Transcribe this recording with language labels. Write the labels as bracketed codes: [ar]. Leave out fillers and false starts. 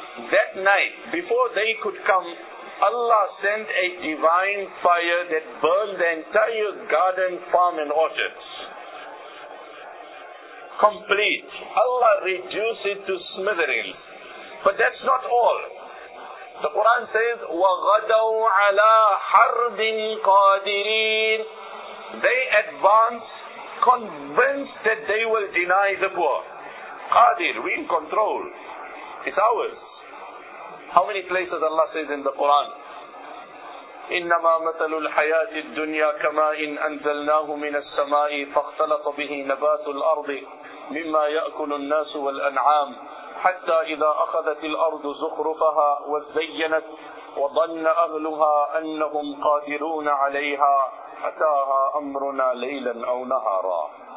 [en] That night, before they could come, Allah sent a divine fire that burned the entire garden, farm and orchards. Complete. Allah reduced it to smithereens. But that's not all. The Quran says, [ar] وَغَدَوْا عَلَىٰ حَرْبٍ قَادِرِينَ. [en] They advance, convinced that they will deny the poor. Qadir, we in control. It's ours. How many places Allah says in the Quran? [ar] إِنَّمَا مَثَلُ الْحَيَاةِ الدُّنْيَا كَمَا إِنْ أَنْزَلْنَاهُ مِنَ السَّمَاءِ فَاخْتَلَطَ بِهِ نَبَاتُ الْأَرْضِ مِمَّا يَأْكُلُ النَّاسُ وَالْأَنْعَامُ حَتَّى إِذَا أَخَذَتِ الْأَرْضُ زُخْرُفَهَا وَزَيَّنَتْ وَظَنَّ أَهْلُهَا أَنَّهُمْ قَادِرُونَ عَلَيْهَا أَتَاهَا أَمْرُنَا لَيْلًا أَوْ نَهَارًا.